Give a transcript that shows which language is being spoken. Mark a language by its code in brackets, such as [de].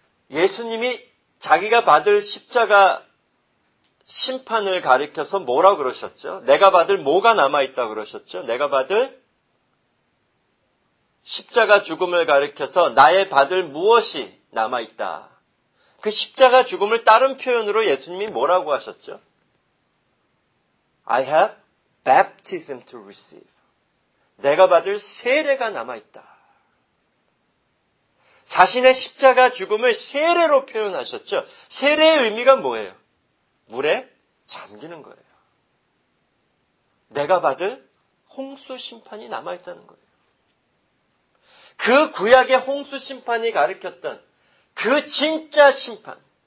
[ko] 예수님이 자기가 받을 십자가 심판을 가리켜서 뭐라고 그러셨죠? 내가 받을 뭐가 남아있다고 그러셨죠? 내가 받을 십자가 죽음을 가리켜서 나의 받을 무엇이 남아있다. 그 십자가 죽음을 다른 표현으로 예수님이 뭐라고 하셨죠? [en] I have baptism to receive. [ko] 내가 받을 세례가 남아있다. 자신의 십자가 죽음을 세례로 표현하셨죠. 세례의 의미가 뭐예요? 물에 잠기는 거예요. 내가 받을 홍수 심판이 남아있다는 거예요. 그 구약의 홍수 심판이 가르쳤던 그 진짜 심판.